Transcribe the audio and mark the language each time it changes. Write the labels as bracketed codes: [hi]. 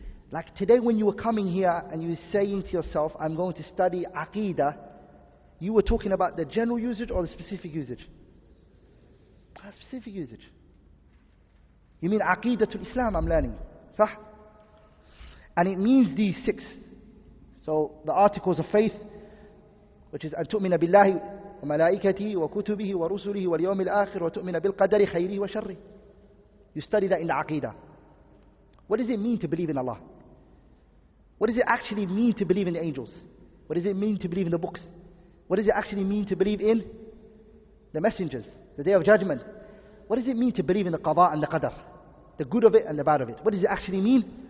[en] Like today when you were coming here and you were saying to yourself, I'm going to study Aqeedah, you were talking about the general usage or the specific usage? Specific usage. You mean Aqeedah to Islam, I'm learning. Sah? And it means these six. So the articles of faith, which is [ar] أَتُؤْمِنَ بِاللَّهِ وَمَلَائِكَتِهِ وَكُتُبِهِ وَرُسُلِهِ وَالْيَوْمِ الْآخِرِ وَتُؤْمِنَ بِالْقَدَرِ خَيْرِهِ وَشَرِّهِ. [en] You study that in the Aqeedah. What does it mean to believe in Allah? What does it actually mean to believe in the angels? What does it mean to believe in the books? What does it actually mean to believe in the messengers? The Day of Judgment. What does it mean to believe in the Qadha and the Qadr? The good of it and the bad of it. What does it actually mean?